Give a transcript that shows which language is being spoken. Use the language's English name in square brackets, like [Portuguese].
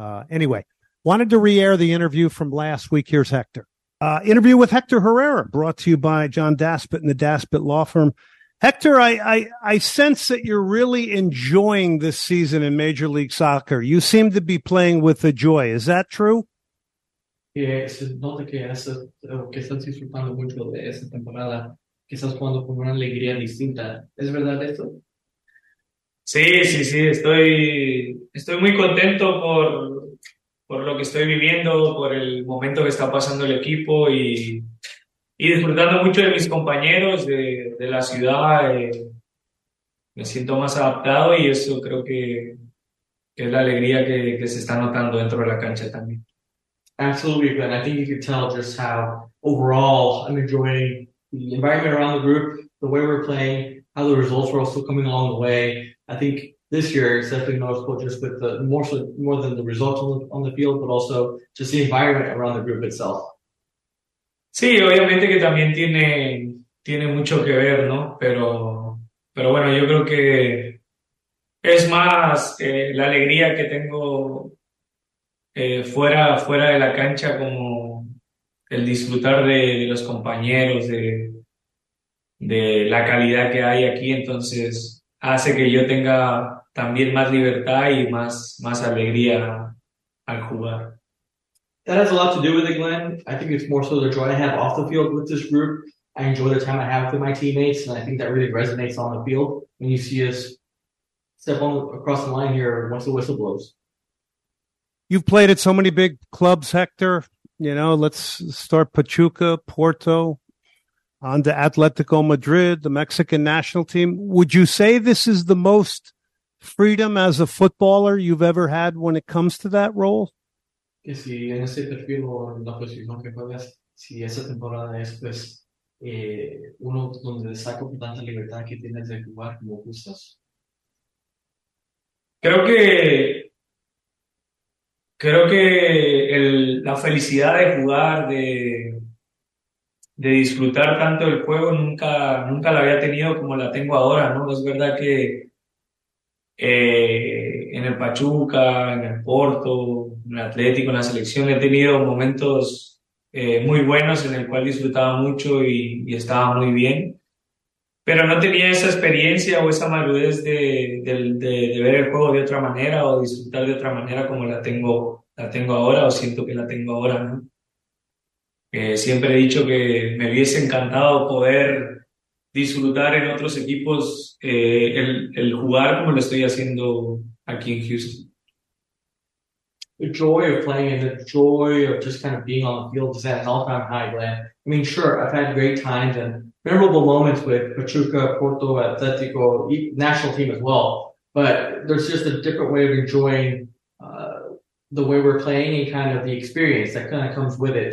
[English] Anyway, wanted to re-air the interview from last week. Here's Hector. Interview with Hector Herrera, brought to you by John Daspit and the Daspit Law Firm. Hector, I sense that you're really enjoying this season in Major League Soccer. You seem to be playing with a joy. Is that true? Yes, [Spanish] no te creas que estás disfrutando mucho de esta temporada, que estás jugando con una alegría distinta. ¿Es verdad esto? Sí, estoy muy contento por lo que estoy viviendo, por el momento que está pasando el equipo y disfrutando mucho de mis compañeros de la ciudad. Me siento más adaptado y eso creo que es la alegría que se está notando dentro de la cancha también. [English] Absolutely, Ben. I think you can tell just how overall I'm enjoying the environment around the group, the way we're playing, how the results were also coming along the way. I think this year, it's definitely noticeable just with the more than the results on the field, but also just the environment around the group itself. [Spanish] Sí, obviamente que también tiene mucho que ver, ¿no? Pero bueno, yo creo que es más la alegría que tengo fuera de la cancha, como el disfrutar de los compañeros, de la calidad que hay aquí, entonces. Hace que yo tenga también más libertad y más alegría al jugar. [English] That has a lot to do with it, Glenn. I think it's more so the joy I have off the field with this group. I enjoy the time I have with my teammates, and I think that really resonates on the field when you see us step on across the line here once the whistle blows. You've played at so many big clubs, Hector. You know, let's start Pachuca, Porto. On to Atletico Madrid, the Mexican national team. Would you say this is the most freedom as a footballer you've ever had when it comes to that role? [Spanish] Que si en ese perfil o en la posición que juegas, si esa temporada es pues uno donde saco tanta libertad que tienes de jugar como gustas. Creo que el la felicidad de jugar, de disfrutar tanto del juego, nunca la había tenido como la tengo ahora, ¿no? Es verdad que en el Pachuca, en el Porto, en el Atlético, en la selección, he tenido momentos muy buenos en el cual disfrutaba mucho y estaba muy bien, pero no tenía esa experiencia o esa madurez de ver el juego de otra manera o disfrutar de otra manera como la tengo ahora o siento que la tengo ahora, ¿no? Siempre he dicho que me hubiese encantado poder disfrutar en otros equipos el jugar como lo estoy haciendo aquí en Houston. [English] The joy of playing and the joy of just kind of being on the field, does that help on high land? I mean, sure, I've had great times and memorable moments with Pachuca, Porto, Atletico, national team as well, but there's just a different way of enjoying the way we're playing and kind of the experience that kind of comes with it.